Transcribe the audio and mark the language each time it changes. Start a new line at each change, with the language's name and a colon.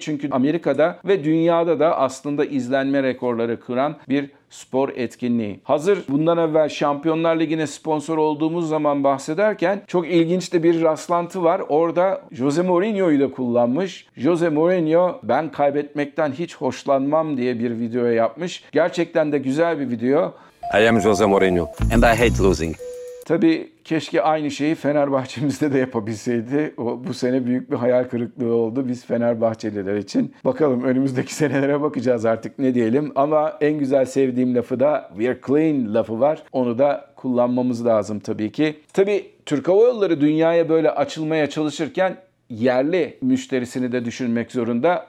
Turkish: Çünkü Amerika'da ve dünyada da aslında izlenme rekorları kıran bir spor etkinliği. Hazır bundan evvel Şampiyonlar Ligi'ne sponsor olduğumuz zaman bahsederken çok ilginç de bir rastlantı var. Orada Jose Mourinho'yu da kullanmış. Jose Mourinho ben kaybetmekten hiç hoşlanmam diye bir video yapmış. Gerçekten de güzel bir video.
English: I am Jose Mourinho and I hate losing.
Turkish: Tabii keşke aynı şeyi Fenerbahçe'mizde de yapabilseydi. O, bu sene büyük bir hayal kırıklığı oldu biz Fenerbahçeliler için. Bakalım önümüzdeki senelere bakacağız artık ne diyelim. Ama en güzel sevdiğim lafı da
English: We're Clean
Turkish: lafı var. Onu da kullanmamız lazım tabii ki. Tabii Türk Hava Yolları dünyaya böyle açılmaya çalışırken yerli müşterisini de düşünmek zorunda.